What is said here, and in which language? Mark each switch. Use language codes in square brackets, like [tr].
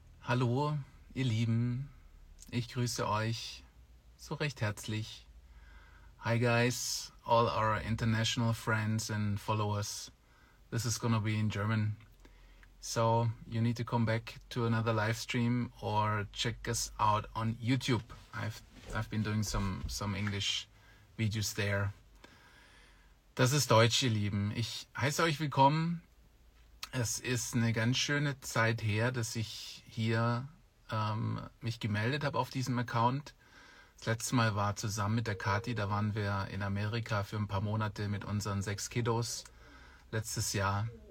[de] Hallo, ihr Lieben, ich grüße euch so recht herzlich. [en] Hi guys, all our international friends and followers. This is gonna be in German. So, you need to come back to another live stream or check us out on YouTube. I've been doing some English videos there. [de] Das ist Deutsch, ihr Lieben. Ich heiße euch willkommen. Es ist eine ganz schöne Zeit her, dass ich hier mich gemeldet habe auf diesem Account. Das letzte Mal war zusammen mit der Kathi, da waren wir in Amerika für ein paar Monate mit unseren 6 Kiddos letztes Jahr.